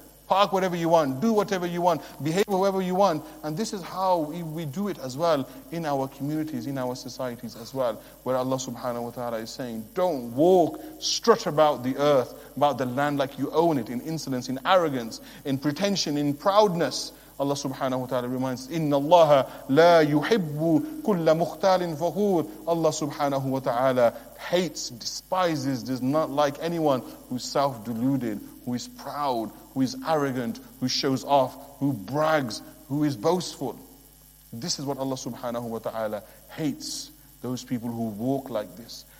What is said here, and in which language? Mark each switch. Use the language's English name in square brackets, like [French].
[English] park whatever you want, do whatever you want, behave however you want. And this is how we do it as well in our communities, in our societies as well, where Allah subhanahu wa ta'ala is saying, don't walk, strut about the earth, about the land like you own it, in insolence, in arrogance, in pretension, in proudness. Allah subhanahu wa ta'ala reminds, [Arabic] إِنَّ اللَّهَ لَا يُحِبُّ كُلَّ مُخْتَالٍ فَخُورٍ. [English] Allah subhanahu wa ta'ala hates, despises, does not like anyone who is self-deluded, who is proud, who is arrogant, who shows off, who brags, who is boastful. This is what Allah subhanahu wa ta'ala hates, those people who walk like this.